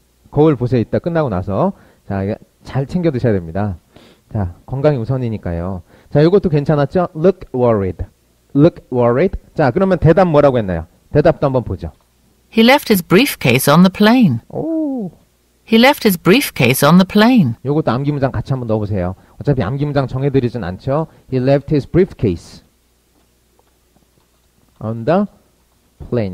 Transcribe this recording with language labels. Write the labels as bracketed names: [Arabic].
[Korean] 거울 보세요, 이따 끝나고 나서. 자, 잘 챙겨 드셔야 됩니다. 자, 건강이 우선이니까요. 자, 이것도 괜찮았죠? [English] Look worried. Look worried. [Korean] 자, 그러면 대답 뭐라고 했나요? 대답도 한번 보죠. [English] He left his briefcase on the plane. [Korean] 오. [English] He left his briefcase on the plane. [Korean] 이것도 암기 문장 같이 한번 넣어보세요. 어차피 암기 문장 정해드리진 않죠? [English] He left his briefcase on the plane.